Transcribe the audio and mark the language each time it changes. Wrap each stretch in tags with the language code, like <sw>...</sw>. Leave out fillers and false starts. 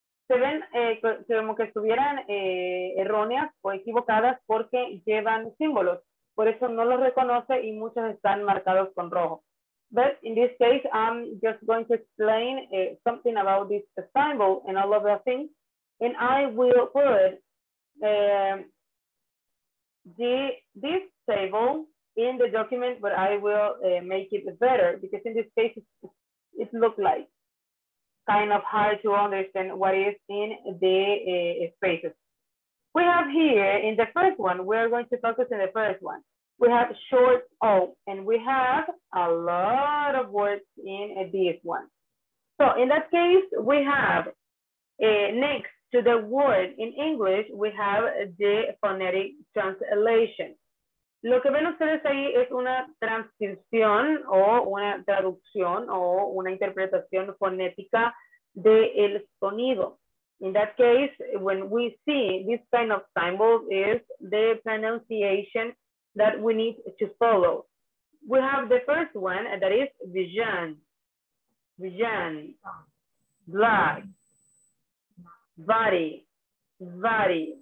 <es>Se ven como que estuvieran erróneas o equivocadas porque llevan símbolos. Por eso no los reconoce y muchos están marcados con rojo.</es> <en>But in this case, I'm just going to explain something about this symbol and all of the things. And I will put this table in the document, but I will make it better because in this case, it looks like kind of hard to understand what is in the spaces. We have here in the first one, we're going to focus in the first one. We have short O, and we have a lot of words in this one. So in that case, we have next to the word in English, we have the phonetic translation.</en> <es>Lo que ven ustedes ahí es una transcripción o una traducción o una interpretación fonética de el sonido.</es> <en>In that case, when we see this kind of symbol is the pronunciation that we need to follow. We have the first one, and that is vision. Vision. Black. Body. Body.</en>